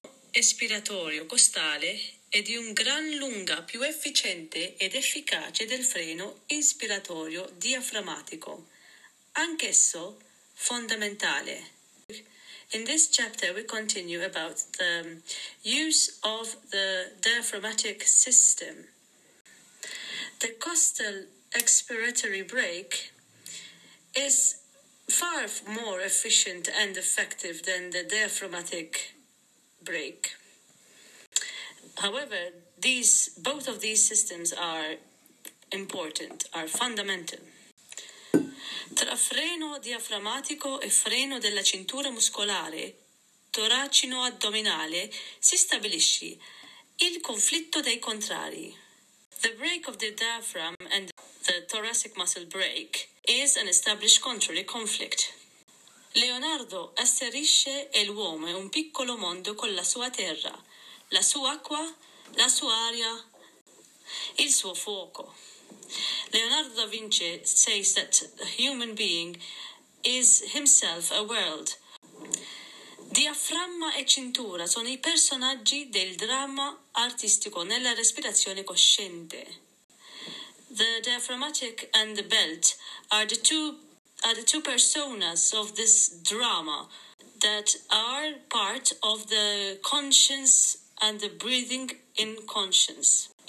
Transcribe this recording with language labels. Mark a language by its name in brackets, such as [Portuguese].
[Italian] Espiratorio costale è di un gran lunga più efficiente ed efficace del freno inspiratorio diaframmatico, anch'esso fondamentale. [English] In this chapter, we continue about the use of the diaphragmatic system. The costal expiratory brake is far more efficient and effective than the diaphragmatic brake. However, both of these systems are important, are fundamental. [Italian] Tra freno diaframmatico e freno della cintura muscolare toracino-addominale si stabilisce il conflitto dei contrari. [English] The brake of the diaphragm and the thoracic muscle brake is an established contrary conflict. [Italian] Leonardo asserisce l'uomo un piccolo mondo con la sua terra, la sua acqua, la sua aria, il suo fuoco. [English] Leonardo da Vinci says that the human being is himself a world. [Italian] Diaframma e cintura sono I personaggi del dramma artistico nella respirazione cosciente. [English] The diaphragmatic and the belt are the two personas of this drama that are part of the conscience and the breathing in conscience.